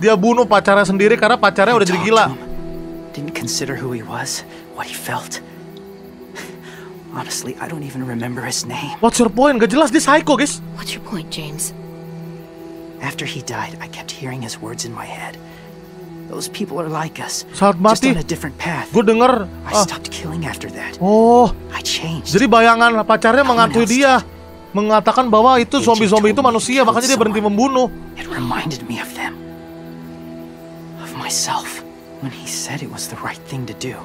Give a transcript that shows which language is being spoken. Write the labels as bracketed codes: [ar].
[id] Dia bunuh pacarnya sendiri karena pacarnya udah jadi gila. [en] Didn't consider who he was, what he felt. Honestly, I don't even remember his name. What's your point? [id] Gak jelas, dia psycho, guys. [en] What's your point, James? After he died, I kept hearing his words in my head. Those people are like us. [id] Saat mati, [en] just on a different path. [id] Gua denger. [en] I stopped killing after that. Oh. I changed. [id] Jadi bayangan pacarnya mengantui dia, mengatakan bahwa itu zombie-zombie itu manusia, makanya dia berhenti membunuh. [en] It reminded me of them. Of myself when he said it was the right thing to do.